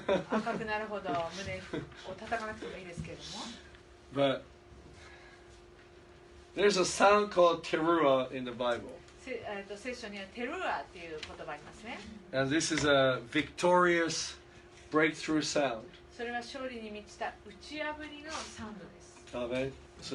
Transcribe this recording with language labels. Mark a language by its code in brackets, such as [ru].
[ja] 赤くなるほど胸を叩かなくてもいいですけれども。 [en] But. There's a sound called teruah in the Bible. [ja] 聖書にはテルアっていう言葉ありますね。 [en] And this is a victorious breakthrough sound. [ja] それは勝利に満ちた打ち破りのサウンドです。